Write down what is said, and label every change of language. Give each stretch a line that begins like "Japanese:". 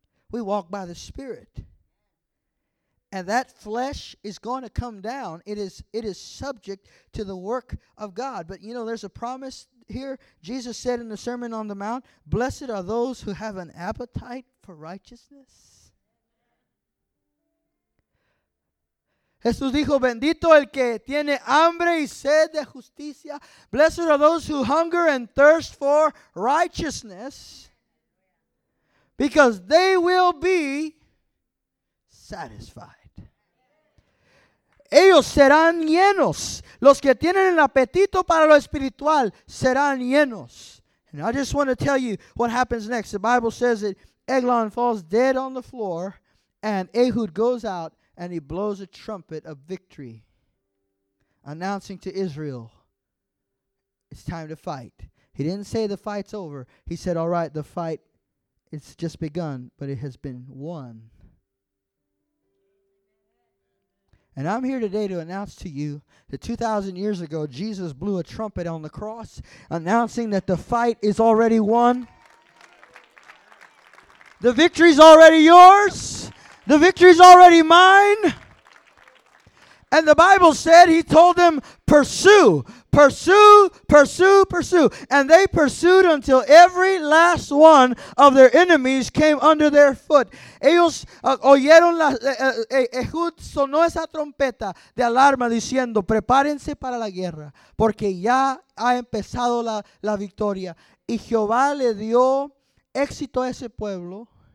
English: We walk by the Spirit. And that flesh is going to come down. It is subject to the work of God. But, you know, there's a promise here. Jesus said in the Sermon on the Mount, blessed are those who have an appetite for righteousness.
Spanish: Jesús dijo, bendito el que tiene hambre y sed de justicia.
English: Blessed are those who hunger and thirst for righteousness, because they will be satisfied.
Spanish: Ellos serán llenos. Los que tienen el apetito para lo espiritual serán llenos.
English: And I just want to tell you what happens next. The Bible says that Eglon falls dead on the floor, and Ehud goes out, and he blows a trumpet of victory, announcing to Israel, it's time to fight. He didn't say the fight's over. He said, all right, the fight, it's just begun, but it has been won. And I'm here today to announce to you that 2,000 years ago, Jesus blew a trumpet on the cross, announcing that the fight is already won. The victory's already yours. The victory's already mine. And the Bible said he told them, pursue, pursue, pursue, pursue. And they pursued until every last one of their enemies came under their foot.
Spanish: Ellos oyeron la, Ehud sonó esa trompeta de alarma diciendo, prepárense para la guerra, porque ya ha empezado la victoria. Y Jehová le dio éxito a ese pueblo.